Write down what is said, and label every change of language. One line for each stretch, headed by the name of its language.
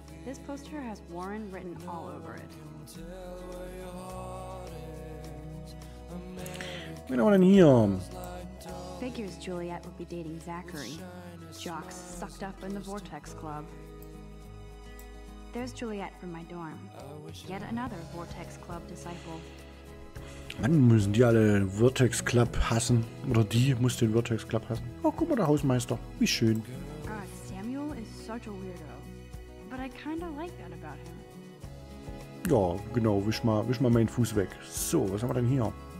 English: This poster has Warren written all over it.
German: Wen haben wir denn hier?
English: Figures Juliet would be dating Zachary. Jocks sucked up in the Vortex Club. There's Juliet from my dorm. Yet another Vortex Club disciple.
German: Mann, müssen die alle Vortex Club hassen? Oder die muss den Vortex Club hassen? Oh, guck mal, der Hausmeister. Wie schön.
English: God, Samuel is such a weirdo. But I kinda like that about him.
German: Ja, genau. Wisch mal meinen Fuß weg. So, was haben wir denn hier?